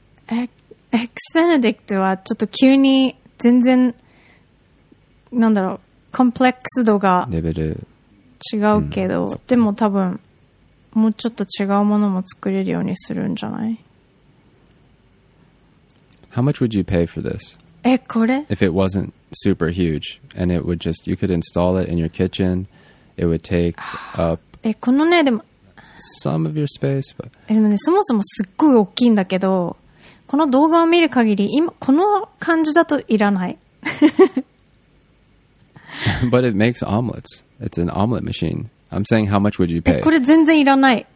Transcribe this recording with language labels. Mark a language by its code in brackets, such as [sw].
[ja] Eggs Benedict はちょっと急に全然なんだろう、コンプレックス度がレベル違うけど、うん、でも多分もうちょっと違うものも作れるようにするんじゃない。 [en] How much would you pay for this? [ja] え、これ？ [en] If it wasn't super huge and it would just, you could install it in your kitchen, it would take up [ja] え、このね、でも [en] Some of your space, but... [ja] でもね、そもそもすっごい大きいんだけど、この動画を見る限り今この感じだといらない。 [en] But it makes omelets. It's an omelet machine. I'm saying how much would you pay? [ja] これ全然いらない。